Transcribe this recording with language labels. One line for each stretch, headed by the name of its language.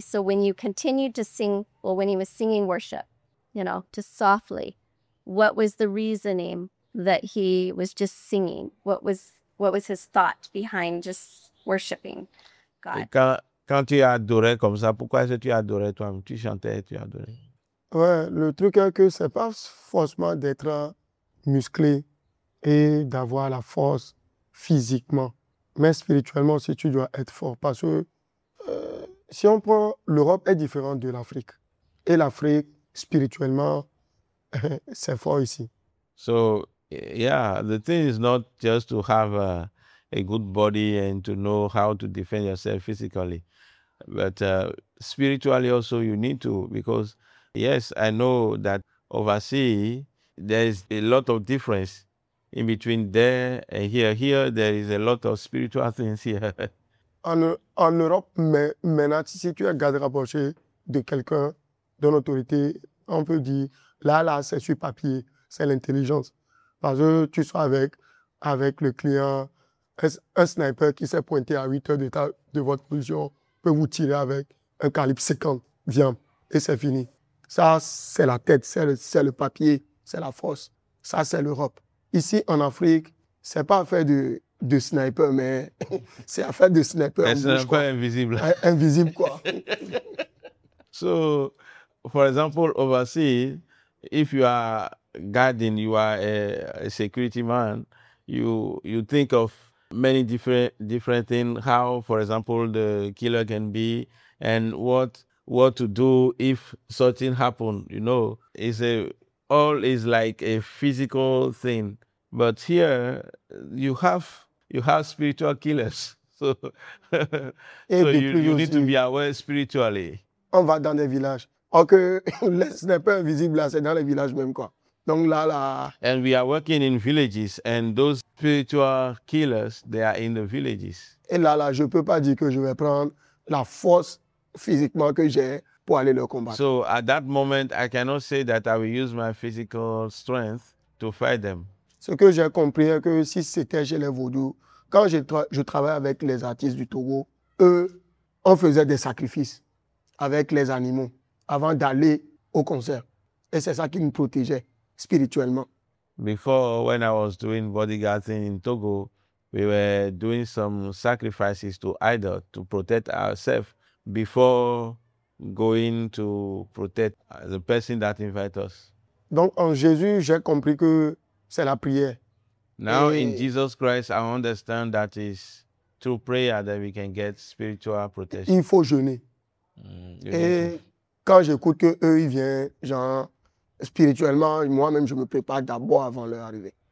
English: So when you continued to sing, well, when he was singing worship, you know, to softly, what was the reasoning that he was just singing? What was his thought behind just worshiping God?
French: Quand tu adorais comme ça, pourquoi est-ce que tu adorais toi-même? Tu chantais, tu adorais. Ouais, le truc est que c'est pas forcément d'être musclé et d'avoir la force physiquement, mais spirituellement aussi, tu dois être fort parce que si on prend, l'Europe est différente de l'Afrique. Et l'Afrique, spirituellement, c'est fort ici.
English: So, yeah, the thing is not just to have a good body and to know how to defend yourself physically. But spiritually also you need to, because, yes, I know that overseas, there's a lot of difference in between there and here. Here, there is a lot of spiritual things here.
French: En Europe, mais maintenant, si tu es garde rapproché de quelqu'un, d'une autorité, on peut dire, là, c'est sur papier, c'est l'intelligence. Parce que tu sois avec le client, un sniper qui s'est pointé à 8 heures de votre position peut vous tirer avec un calibre 50, viens, et c'est fini. Ça, c'est la tête, c'est le papier, c'est la force. Ça, c'est l'Europe. ici en Afrique, c'est pas affaire de sniper, mais c'est affaire de sniper. Un sniper invisible. Invisible, quoi.
English: So, for example, overseas, if you are guarding, you are a security man, you think of many different things, how, for example, the killer can be, and what to do if something happened, you know. All is like a physical thing. But here, you have spiritual killers. So, you need to be aware spiritually.
French: On va dans des villages. Ok, les snipers invisibles, là, c'est dans les villages même, quoi. Donc là...
English: And we are working in villages, and those spiritual killers, they are in the villages.
French: Et là, je ne peux pas dire que je vais prendre la force physiquement que j'ai pour aller le combattre.
English: So, at that moment, I cannot say that I will use my physical strength to fight them.
French: Ce que j'ai compris, c'est que si c'était chez les vaudous, quand je travaillais avec les artistes du Togo, eux, on faisait des sacrifices avec les animaux avant d'aller au concert. Et c'est ça qui nous protégeait spirituellement.
English: Before, when I was doing bodyguarding in Togo, we were doing some sacrifices to idols to protect ourselves before going to protect the person that invites us.
French: Donc, en Jésus, j'ai compris que c'est la prière.
English: Now, in Jesus Christ, I understand that it's through prayer that we can get spiritual protection.
French: Il faut jeûner. Quand j'écoute qu'eux, ils viennent, genre, spirituellement, moi-même, je me prépare d'abord avant leur arrivée.